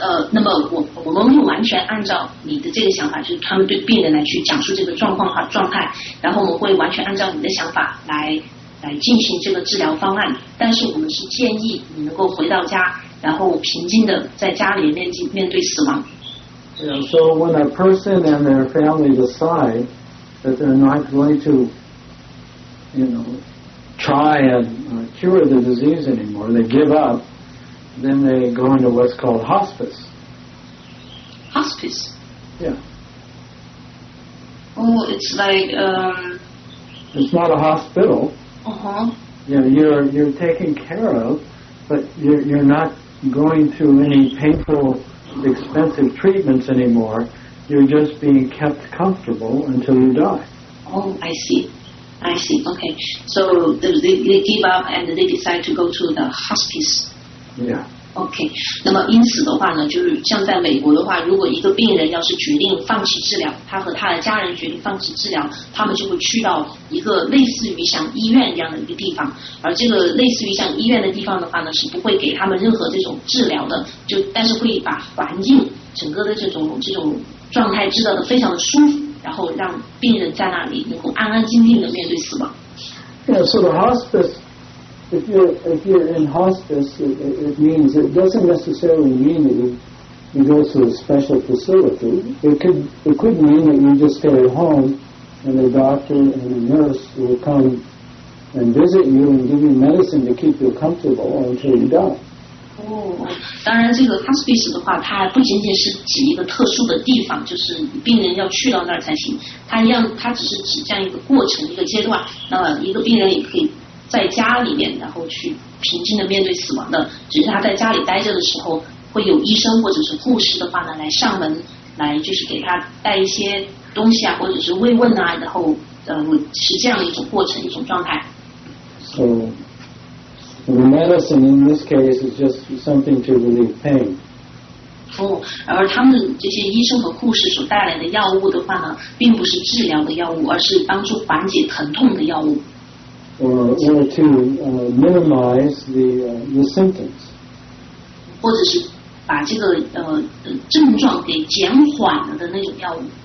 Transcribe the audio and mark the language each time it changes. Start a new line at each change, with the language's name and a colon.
Chinese: 那么我们没有完全按照你的这个想法，就是他们对病人来去讲述这个状况和状态，然后我们会完全按照你的想法来进行这个治疗方案。但是我们是建议你能够回到家，然后平静的在家里面对死亡。
English: So when a person and their family decide that they're not going to you know, try and cure the disease anymore, they give up, then they go into what's called hospice. Hospice? Yeah. Oh, it's like... It's not a hospital. Uh-huh. You know, you're taken care of, but you're not going through any painful, expensive treatments anymore. You're just being kept comfortable until you die. Oh, I see. Okay. So they give up and they decide to go to the hospice. Yeah. Okay.
Chinese: 那么因此的话呢，就是像在美国的话，如果一个病人要是决定放弃治疗，他和他的家人决定放弃治疗，他们就会去到一个类似于像医院一样的一个地方。而这个类似于像医院的地方的话呢，是不会给他们任何这种治疗的，就但是会把环境整个的这种状态治疗的非常的舒服。然后让病人在那里能够安安静静地面对死亡。
English: Yeah, so the hospice, if you're in hospice, it means it doesn't necessarily mean that you go to a special facility. It could mean that you just stay at home, and the doctor and the nurse will come and visit you and give you medicine to keep you comfortable until you die.
Chinese: 当然这个 hospice 的话它不仅仅是指一个特殊的地方就是病人要去到那儿才行它只是指这样一个过程一个阶段那一个病人也可以在家里面然后去平静的面对死亡的只是他在家里待着的时候会有医生或者是护士的话呢来上门来就是给他带一些东西啊或者是慰问啊然后是这样一种过程一种状态
English: So, The medicine in this case is just something to relieve pain.
Chinese: 而他们这些医生和护士所带来的药物的话呢，并不是治疗的药物，而是帮助缓解疼痛的药物。
English: Or to minimize the symptoms.
Chinese: 或者是把这个症状给减缓了的那种药物。